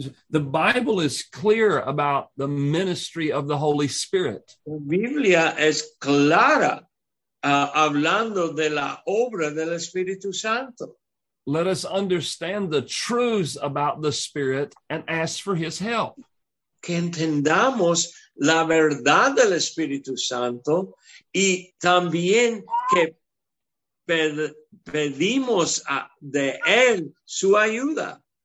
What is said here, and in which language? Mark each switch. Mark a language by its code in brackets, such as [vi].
[en] The Bible is clear about the ministry of the Holy Spirit. [es] La Biblia es clara hablando de la obra del Espíritu Santo. [en] Let us understand the truths about the Spirit and ask for His help. [es] Que entendamos la verdad del Espíritu Santo y también que pedimos de Él su ayuda.